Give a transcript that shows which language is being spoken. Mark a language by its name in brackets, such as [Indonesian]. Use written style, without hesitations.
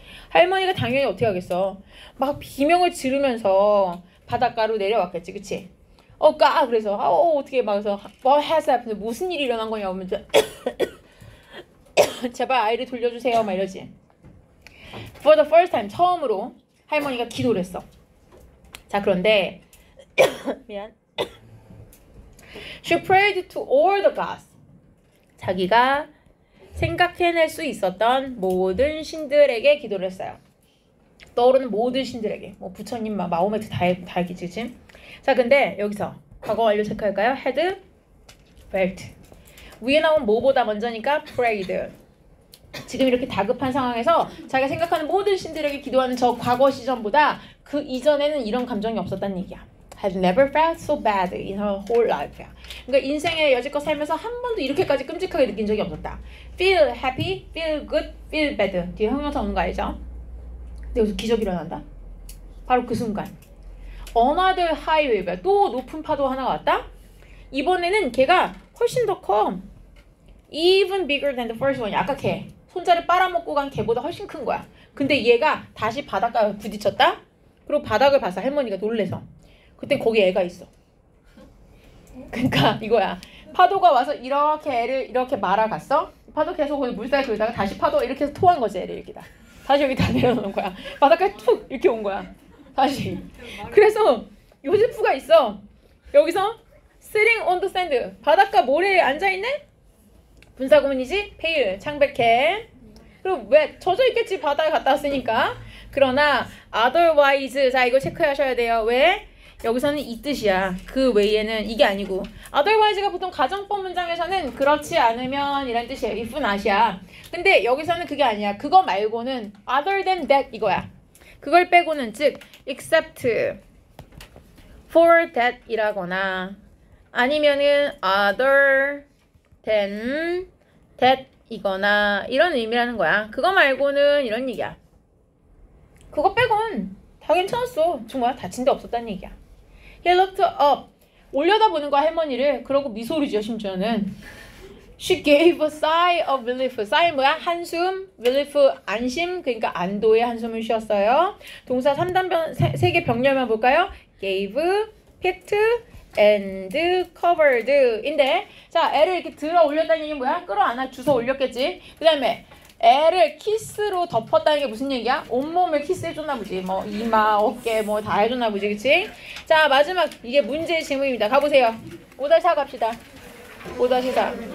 [Korean] 할머니가 당연히 어떻게 하겠어? 막 비명을 지르면서 바닷가로 내려왔겠지, 그치? 어, 까! 그래서 어, 어떻게 막 해서 [English] what has happened? [Korean] 무슨 일이 일어난 거냐고 하면서 제발 아이를 돌려주세요, 막 이러지. [English] For the first time, [Korean] 처음으로 할머니가 기도를 했어. 자, 그런데 미안. [English] She prayed to all the gods. [Korean] 자기가 생각해낼 수 있었던 모든 신들에게 기도를 했어요. 떠오르는 모든 신들에게. 뭐 부처님, 마호메트 다 알겠지, 그치? 자, 근데 여기서 과거 완료 체크할까요? [English] Had, felt. [Korean] 위에 나온 뭐보다 먼저니까 prayed. 지금 이렇게 다급한 상황에서 자기가 생각하는 모든 신들에게 기도하는 저 과거 시점보다 그 이전에는 이런 감정이 없었다는 얘기야. [English] Had never felt so bad in her whole life. [Korean] 그러니까 인생에 여지껏 살면서 한 번도 이렇게까지 끔찍하게 느낀 적이 없었다. [English] Feel happy, feel good, feel bad. [Korean] 뒤에 형용사 온 거 알죠? 근데 여기서 기적이 일어난다. 바로 그 순간. [English] Another high wave. [Korean] 또 높은 파도 하나가 왔다. 이번에는 걔가 훨씬 더 커. [English] Even bigger than the first one. [Korean] 아까 걔. 손자를 빨아먹고 간 걔보다 훨씬 큰 거야. 근데 얘가 다시 바닷가에 부딪혔다. 그리고 바닥을 봤어. 할머니가 놀래서. 그땐 거기 애가 있어. 그러니까 이거야. 파도가 와서 이렇게 애를 이렇게 말아갔어. 파도 계속 물살 돌다가 다시 파도 이렇게 해서 토한 거지 애를 여기다. 다시 여기다 내려놓은 거야. 바닷가에 툭 이렇게 온 거야. 다시. 그래서 요세프가 있어. [English] 여기서 sitting on the sand. [Korean] 바닷가 모래에 앉아있네? 분사구문이지? pale. 창백해. 그리고 왜? 젖어있겠지. 바다에 갔다 왔으니까. 그러나 otherwise. 자, 이거 체크하셔야 돼요. 왜? 여기서는 이 뜻이야. 그 외에는 이게 아니고 otherwise가 보통 가정법 문장에서는 그렇지 않으면 이란 뜻이에요. [English] if not이야. [Korean] 근데 여기서는 그게 아니야. 그거 말고는 [English] other than that [Korean] 이거야. 그걸 빼고는 즉 [English] except for that [Korean] 이라거나 아니면은 [English] other than that [Korean] 이거나 이런 의미라는 거야. 그거 말고는 이런 얘기야. 그거 빼곤 다 괜찮았어. 정말 다친 데 없었다는 얘기야. [English] He looked up. [Korean] 올려다보는 거야, 할머니를. 그러고 미소를 지어, 심지어는. [English] She gave a sigh of relief. [Korean] Sigh 뭐야? 한숨. Relief, 안심. 그러니까 안도의 한숨을 쉬었어요. 동사 3단 3개 병렬만 볼까요? [English] Gave, picked, and covered. [Korean] 인데, 자, 애를 이렇게 들어 올렸다는 얘기는 뭐야? 끌어안아 주워 올렸겠지. 그 다음에 애를 키스로 덮었다는 게 무슨 얘기야? 온몸을 키스해줬나 보지. 뭐 이마, 어깨 뭐 다 해줬나 보지. 그치? 자, 마지막 이게 문제의 질문입니다. 가보세요. 5-4 갑시다. 5-4.